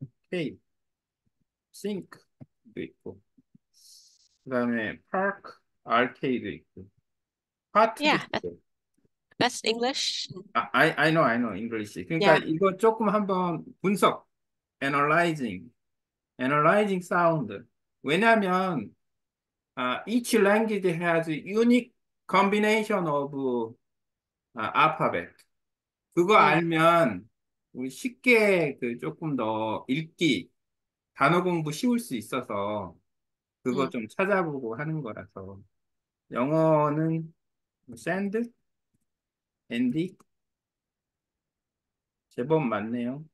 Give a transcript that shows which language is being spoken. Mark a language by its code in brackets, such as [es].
[ko] cave, sink도 있고 그다음에 park, arcade도 있고 [en] Yeah, [ko] 파트도 있고. [en] that's English. I know, I know English. [ko] 그러니까 [en] Yeah. [ko] 이거 조금 한번 분석, [en] analyzing sound. [ko] 왜냐하면 [en] each language has a unique combination of alphabet. [ko] 그거 알면 쉽게 그 조금 더 읽기, 단어 공부 쉬울 수 있어서 그거 좀 찾아보고 하는 거라서. 영어는 sand, andy, 제법 많네요.